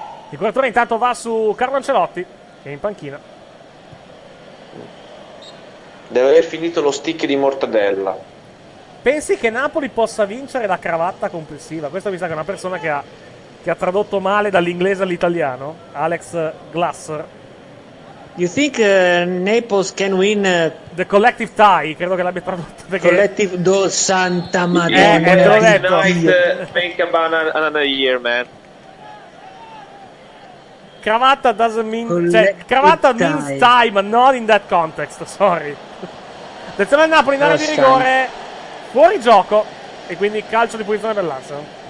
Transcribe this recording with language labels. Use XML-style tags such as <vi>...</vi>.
<it>Il curatore intanto va su Carlo Ancelotti, che è in panchina. Deve aver finito lo stick di mortadella. Pensi che Napoli possa vincere la cravatta complessiva? Questa mi sa che è una persona che ha tradotto male dall'inglese all'italiano, Alex Glasser.</it> <en>You think Naples can win the collective tie?</en> <it>Credo che l'abbia tradotto. Perché... Collective do Santa Madonna. Te l'ho detto.</it> <en>Think about another year, man. Cravatta doesn't mean,</en> <it>cioè,</it> <en>cravatta tie. Means tie, but not in that context. Sorry.</en> <it>Attenzione al Napoli in area di rigore. Fuori gioco e quindi calcio di punizione per l'Arsenal.</it>